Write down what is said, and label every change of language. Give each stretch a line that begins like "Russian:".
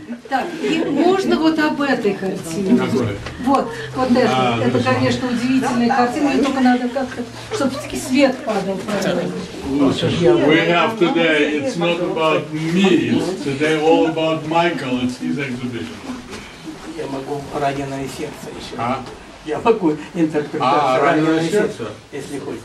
Russian: Так, и можно вот об этой картине? Какой? Вот это. Это, конечно, удивительная картина. Ее только надо как-то, чтобы все-таки свет падал правильно.
English: We have today, it's not about me, it's today all about Michael and his exhibition.
Russian: Я могу раненое сердце еще. А? Я могу интерпретировать раненое сердце, если хочешь.